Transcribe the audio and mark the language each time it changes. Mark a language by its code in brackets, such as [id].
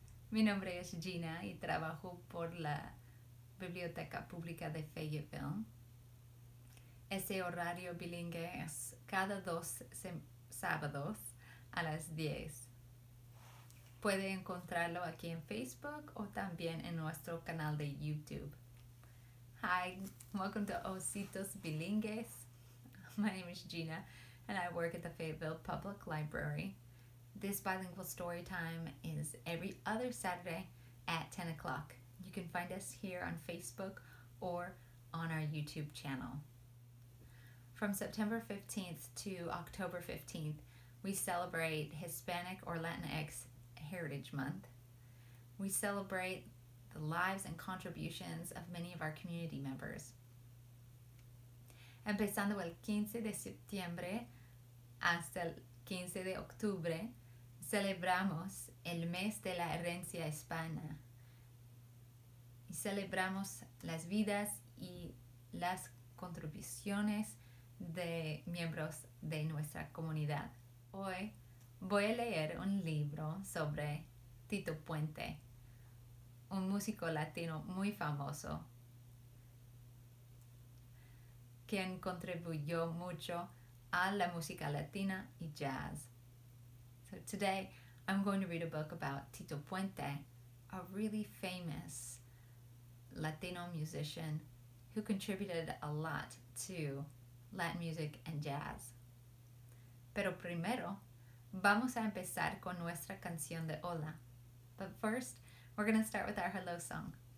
[es] Mi nombre es Gina y trabajo por la Biblioteca Pública de Fayetteville. Este horario bilingüe es cada dos sábados a las 10. Puede encontrarlo aquí en Facebook o también en nuestro canal de YouTube. [en] Hi, welcome to Ositos Bilingües. My name is Gina, and I work at the Fayetteville Public Library. This bilingual story time is every other Saturday at 10 o'clock. You can find us here on Facebook or on our YouTube channel. From September 15th to October 15th, we celebrate Hispanic or Latinx Heritage Month. We celebrate the lives and contributions of many of our community members. [es] Empezando el 15 de septiembre, hasta el 15 de octubre, celebramos el mes de la herencia hispana. Y celebramos las vidas y las contribuciones de miembros de nuestra comunidad. Hoy voy a leer un libro sobre Tito Puente, un músico latino muy famoso, quien contribuyó mucho a la música latina y jazz. [en] So today, I'm going to read a book about Tito Puente, a really famous Latino musician who contributed a lot to Latin music and jazz. [es] Pero primero, vamos a empezar con nuestra canción de hola. [en] But first, we're going to start with our hello song.